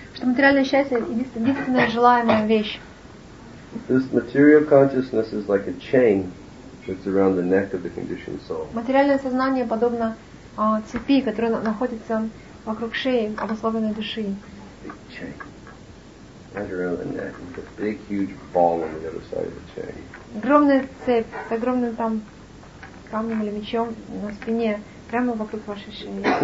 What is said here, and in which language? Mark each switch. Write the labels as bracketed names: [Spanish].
[Russian] Что материальное счастье единственная желаемая вещь. [English] This material consciousness is like a chain that's around the neck of the conditioned soul. [Russian] Материальное сознание подобно цепи, которая находится вокруг шеи обусловленной души. [English] Big chain. Right around the neck. With a big, huge ball on the other side of the chain. [Russian] Огромная цепь с огромным там камнем или мечом на спине, прямо вокруг вашей шеи.